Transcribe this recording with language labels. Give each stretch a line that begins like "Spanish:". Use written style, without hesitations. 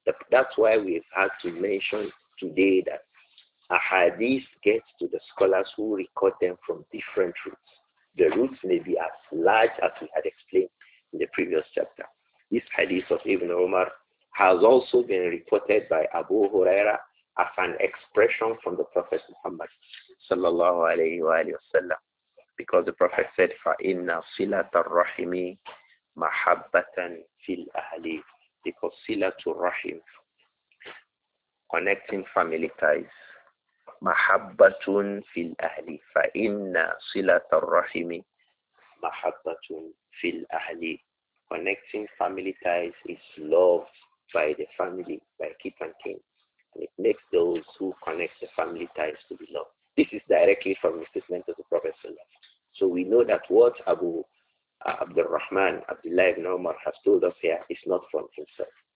English: That's why we've had to mention today that ahadith gets to the scholars who record them from different routes. The routes may be as large as we had explained in the previous chapter. This hadith of Ibn Umar has also been reported by Abu Huraira as an expression from the Prophet Muhammad sallallahu alayhi wa sallam. Because the Prophet said,
Arabic: فَإِنَّ صِلَةَ الرَّحِمِ مَحَبَّةً فِي الْأَهْلِ. Because صِلَةُ الرَّحِمِ,
English: connecting family ties,
Arabic: مَحَبَّةٌ فِي الْأَهْلِ, فَإِنَّ صِلَةَ الرَّحِمِ مَحَبَّةٌ فِي الْأَهْلِ.
English: Connecting family ties is love by the family, by kith and kin. And it makes those who connect the family ties to be loved. This is directly from the statement of the Prophet ﷺ. So we know that what Abu Abdul Rahman, Abdullah ibn Umar has told us here is not from himself.